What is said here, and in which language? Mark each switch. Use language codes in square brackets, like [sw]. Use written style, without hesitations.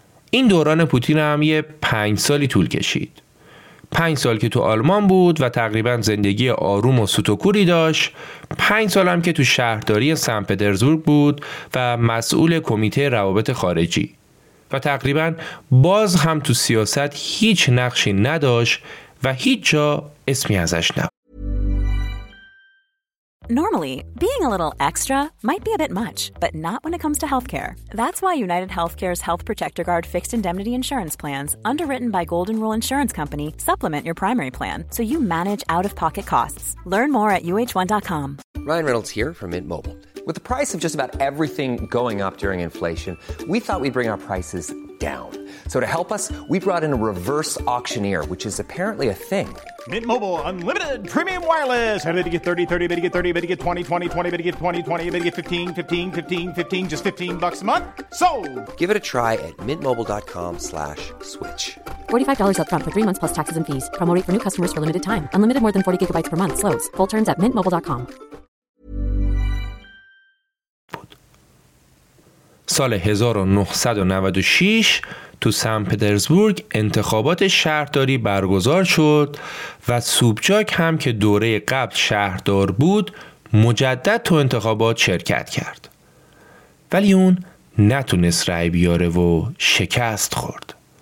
[fa] این دوران پوتین هم یه 5 سالی طول کشید. 5 سال که تو آلمان بود و تقریبا زندگی آروم و سوتوکوری داشت، 5 سال هم که تو شهرداری سن پترزبورگ بود و مسئول کمیته روابط خارجی و تقریبا باز هم تو سیاست هیچ نقشی نداشت و هیچ جا اسمی ازش نبود. [en] Normally, being a little extra might be a bit much, but not when it comes to healthcare. That's why United Healthcare's Health Protector Guard fixed indemnity insurance plans, underwritten by Golden Rule Insurance Company, supplement your primary plan so you manage out-of-pocket costs. Learn more at uh1.com. Ryan Reynolds here from Mint Mobile. With the price of just about everything going up during inflation, we thought we'd bring our prices down. So to help us, we brought in a reverse auctioneer, which is apparently a thing. Mint Mobile Unlimited Premium Wireless. How to get 30, 30, how to get 30, how to get 20, 20, 20, how to get 20, 20, how to get 15, 15, 15, 15, just $15 a month? Sold! Give it a try at mintmobile.com/switch. $45 up front for 3 months plus taxes and fees. Promo rate for new customers for limited time. Unlimited more than 40 gigabytes per month. Slows full terms at mintmobile.com. [fa] سال 1996 تو سن پترزبورگ انتخابات شهرداری برگزار شد و سوبچاک هم که دوره قبل شهردار بود مجدد تو انتخابات شرکت کرد، ولی اون نتونست رای بیاره و شکست خورد.